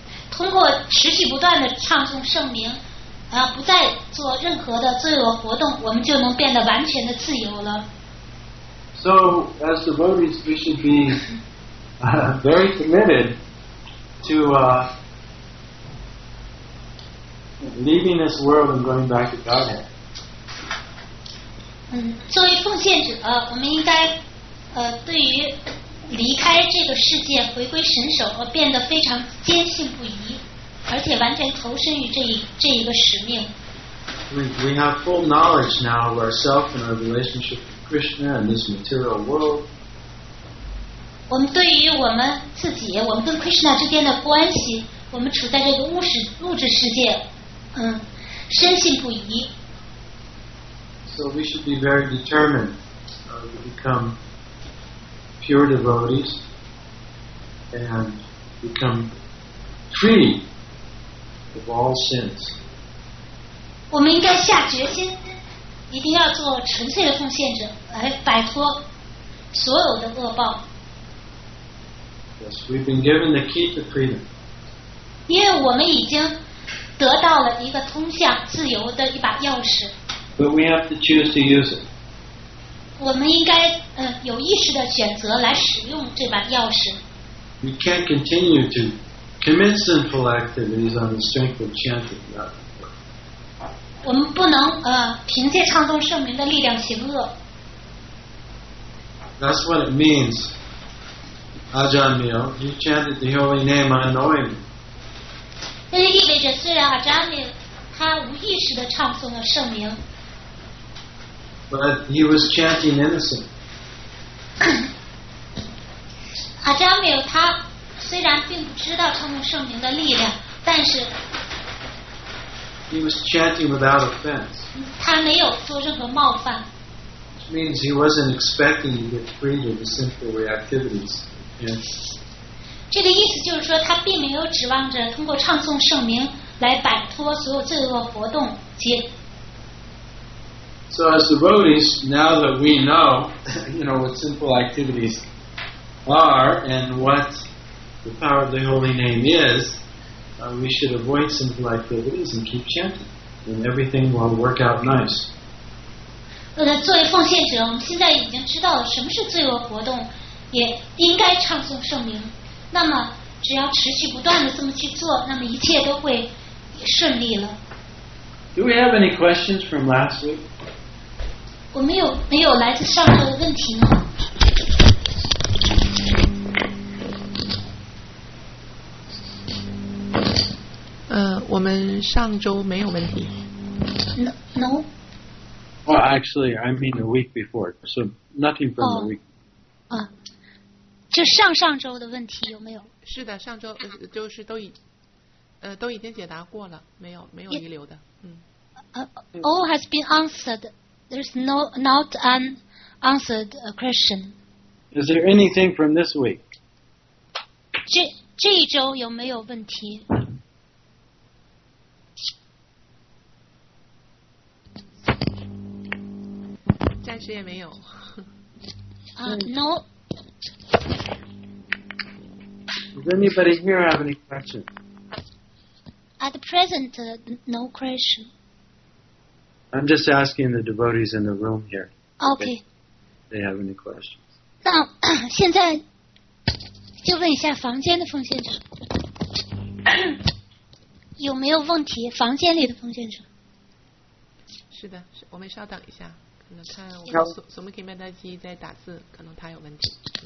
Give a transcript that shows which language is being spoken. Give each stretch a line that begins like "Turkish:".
Chinese: 通过持续不断的唱诵圣名，不再做任何的罪恶活动，我们就能变得完全的自由了。
English: So as devotees, we should be very committed to leaving this world and going back to Godhead.
Chinese: 作为奉献者，我们应该对于离开这个世界回归神手而变得非常坚信不疑，而且完全投身于这一个使命。
English: We have full knowledge now of ourselves and our relationship with Krishna and this material world.
Chinese: 我们对于我们自己，我们跟 Krishna 之间的关系，我们处在这个物质世界，深信不疑。
English: So we should be very determined to become pure devotees and become free of all sins.
Chinese: 我们应该下决心，一定要做纯粹的奉献者，来摆脱所有的恶报。
English: Yes, we've been given the key to freedom.
Chinese: 因为我们已经得到了一个通向自由的一把钥匙。
English: But we have to choose to use it.
Chinese: 我们应该有意识的选择来使用这把钥匙。
English: We can't continue to commit sinful activities on the strength of chanting.
Chinese: 我们不能凭借唱诵圣名的力量行恶。
English: That's what it means. Ajahn Mio, he chanted the holy name unknowingly.
Chinese: 这意味着虽然Ajahn Mio他无意识的唱诵了圣名。
English: But he was chanting innocent.
Chinese: Ajahn Mio, 他虽然并不知道唱诵圣名的力量，但是
English: he was chanting without offense.
Chinese: 他没有做任何冒犯。
English: Which means he wasn't expecting to get freed of the sinful reactivities.
Chinese: 这个意思就是说，他并没有指望着通过唱诵圣名来摆脱所有罪恶活动及。
English: So as devotees, now that we know, you know, what sinful activities are and what the power of the holy name is, we should avoid sinful activities and keep chanting, and everything will work out nice.
Chinese: 作为奉献者，我们现在已经知道了什么是罪恶活动，也应该唱诵圣名。那么，只要持续不断的这么去做，那么一切都会顺利了。
English: Do we have any questions from last week?
Chinese: 我们有没有来自上周的问题呢？我们上周没有问题。
English: No. Well, actually, I mean the week before, so nothing from the week.
Chinese: 就上上周的问题有没有？是的，上周就是都已经解答过了，没有遗留的。
English: All has been answered. There's not an answered question. Is there anything from this week?
Chinese: 这一周有没有问题？暂时也没有。
English: No. Does anybody here have any questions? At present, no question. I'm just asking the devotees in the room here. Okay. They have any questions.
Chinese: 那现在就问一下房间的奉献者，有没有问题？房间里的奉献者。是的，我们稍等一下。可能看我们什么可以麦达基在打字，可能他有问题。